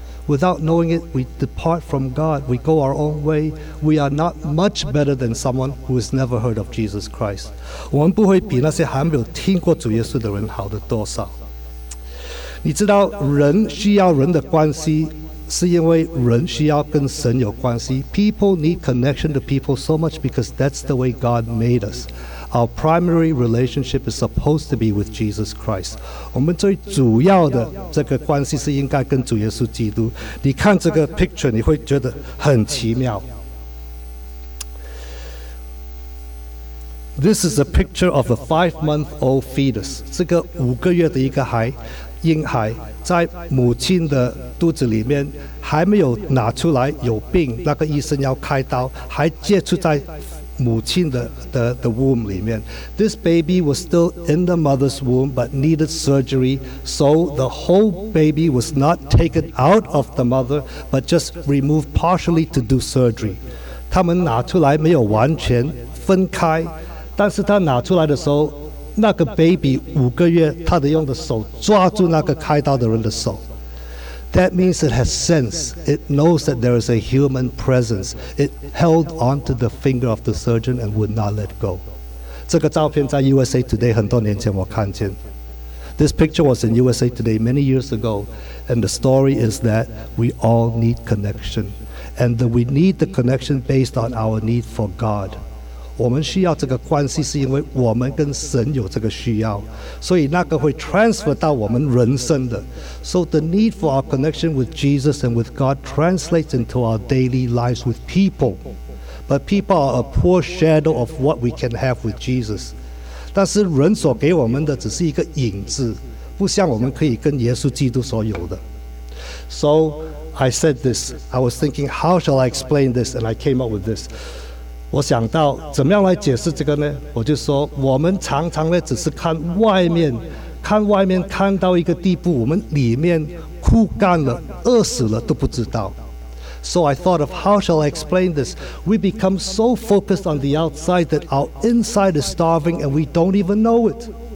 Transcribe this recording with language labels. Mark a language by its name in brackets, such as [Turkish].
[English] Without knowing it, we depart from God. We go our own way. We are not much better than someone who has never heard of Jesus Christ. [Chinese] 我们不会比那些还没有听过主耶稣的人好得多少。你知道，人需要人的关系，是因为人需要跟神有关系。 [English] People need connection to people so much because that's the way God made us. Our primary relationship is supposed to be with Jesus Christ. [Chinese] 我们最主要的这个关系是应该跟主耶稣基督。你看这个 picture， 你会觉得很奇妙。 [English] This is a picture of a five-month-old fetus， [Chinese] 这个五个月的一个孩。婴孩在母亲的肚子里面还没有拿出来有病，那个医生要开刀，还接触在母亲的 womb 里面。 [English] This baby was still in the mother's womb but needed surgery, so the whole baby was not taken out of the mother but just removed partially to do surgery. [Chinese] 他们拿出来没有完全分开，但是他拿出来的时候那个 baby 五个月，他的用的手抓住那个开刀的人的手。 [English] That means it has sense. It knows that there is a human presence. It held onto the finger of the surgeon and would not let go. [Chinese] 这个照片在 USA Today 很多年前我看见。 [English] This picture was in USA Today many years ago, and the story is that we all need connection, and that we need the connection based on our need for God. [Chinese] 我们需要这个关系是因为我们跟神有这个需要，所以那个会 transfer 到我们人生的。 [English] So the need for our connection with Jesus and with God translates into our daily lives with people. But people are a poor shadow of what we can have with Jesus. [Chinese] 但是人所给我们的只是一个影子，不像我们可以跟耶稣基督所有的。 [English] So I said this, I was thinking how shall I explain this, and I came up with this. [Chinese] 我想到怎么样来解释这个呢？我就说，我们常常呢只是看外面，看外面看到一个地步，我们里面枯干了、饿死了都不知道。 [English] So I thought of how shall I explain this? We become so focused on the outside that our inside is starving and we don't even know it.